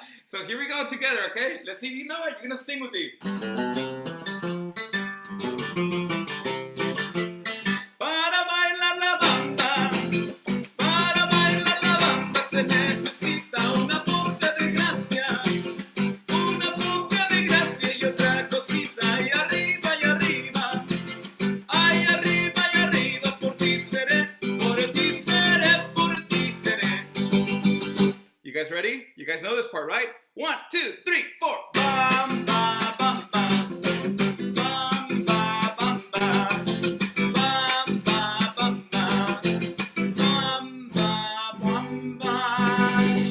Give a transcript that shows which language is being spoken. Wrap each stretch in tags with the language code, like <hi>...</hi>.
<en>So here we go together, okay? Let's see if you know it. You're gonna sing with me.</en> <es>Para bailar la banda, para bailar la banda, se necesita una poca de gracia, una poca de gracia y otra cosita. Y arriba, y arriba, ay, arriba, y arriba, por ti seré, por ti seré, por ti seré.</es> <en>You guys ready? You guys know this part, right? One, two, three, four. Bam, bam, bam, bam. Bam, bam, bam, bam. Bam, bam, bam, bam. Bam, bam, bam, bam.</en>